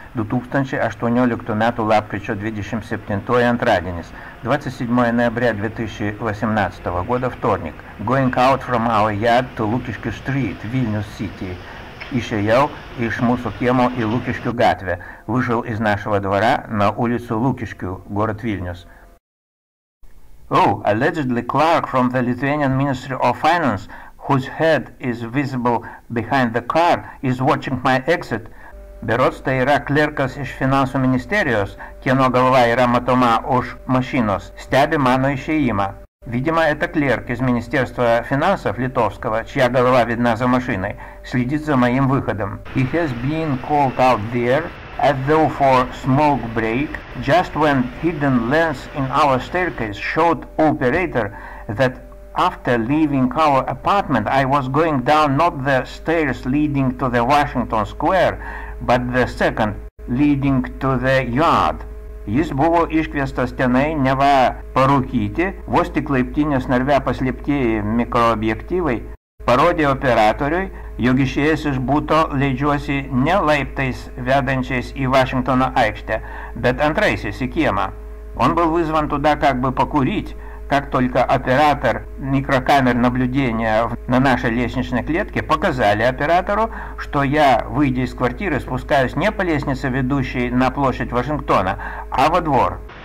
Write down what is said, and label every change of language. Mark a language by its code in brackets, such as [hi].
[lt] 2018 metų, lapkričio 27-oji, antradienis. [ru] 27 ноября 2018 года, вторник. [en] Going out from our yard to Lukiškių Street, Vilnius City. [lt] Išėjau iš mūsų kiemo į Lukiškių gatvę. [ru] Вышел из нашего двора на улицу Лукишкю, город Vilnius. [en] Oh, allegedly clerk from the Lithuanian Ministry of Finance, whose head is visible behind the car, is watching my exit. [lt] Berods tai yra klerkas iš finansų ministerijos, kieno galva yra matoma už mašinos, stebi mano išėjimą. [ru] Видимо, это клерк из Министерства финансов литовского, чья голова видна за машиной, следит за моим выходом. [en] He has been called out there, as though for smoke break, just when hidden lens in our staircase showed operator that after leaving our apartment, I was going down not the stairs leading to the Washington Square, but the second leading to the yard. [lt] Jis buvo iškviestas tenai neva parūkyti, vos tik laiptinės narve paslėpti mikroobjektyvai, parodė operatoriui, jog išėjęs iš būto leidžiuosi ne laiptais vedančiais į Vašingtono aikštę, bet antraisiais į kiemą. [ru] Он был вызван туда как бы покурить, как только оператор микрокамер наблюдения на нашей лестничной клетке показали оператору, что я, выйдя из квартиры, спускаюсь не по лестнице, ведущей на площадь Вашингтона, а во двор.